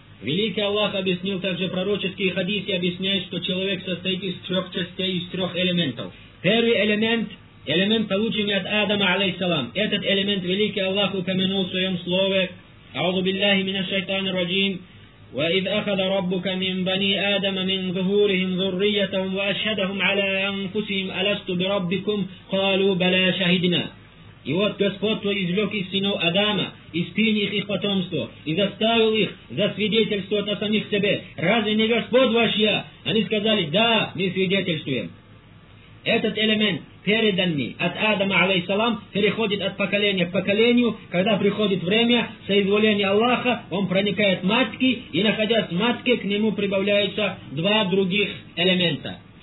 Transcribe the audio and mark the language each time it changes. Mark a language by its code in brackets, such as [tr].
[ru] Великий Аллах объяснил также пророческие хадисы, объясняя, что человек состоит из трех частей, из трех элементов. Первый элемент, элемент, полученный от Адама, алейхиссалам. Этот элемент великий Аллах упомянул в своем слове: «Ауду биллахи мина шайтана раджим, [ar] وإذ أخذ ربك من بني آدم من ظهورهم ذريتهم وأشهدهم على أنفسهم ألست بربكم قالوا بلى شهدنا. [ru] И вот Господь твой извлек из сынов Адама, из пыли их потомство, и заставил их засвидетельствовать о самих себе. Разве не Господь ваш я? Они сказали, да, мы свидетельствуем. Этот элемент, переданный от Адама, алейхиссалам, переходит от поколения к поколению, когда приходит время соизволения Аллаха, он проникает в матки, и находясь в матке, к нему прибавляются два других элемента.